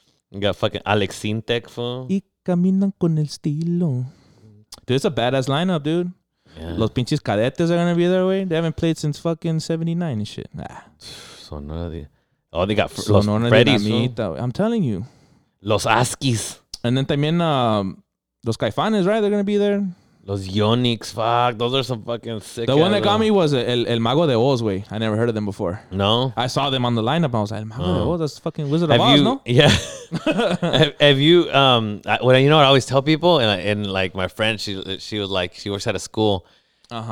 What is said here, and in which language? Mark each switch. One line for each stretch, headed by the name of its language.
English: You got fucking Alex Sintek, fool.
Spanish: Y caminan con el estilo.
English: Dude, it's a badass lineup, dude. Yeah. Los pinches cadetes are going to be their way. They haven't played since fucking 79 and shit. Nah. Sonora de... Oh, they got Sonora Los Freddy's. I'm telling you. Los Askies. And then también Los Caifanes, right? They're going to be there. Los Yonix, fuck. Those are some fucking sick. The one that got me was El Mago de Oz, way. I never heard of them before. No? I saw them on the lineup. I was like, El Mago de Oz, that's fucking Wizard of Oz, no? Yeah. have you, you know what I always tell people? And like my friend, she was like, she works at a school. Uh-huh.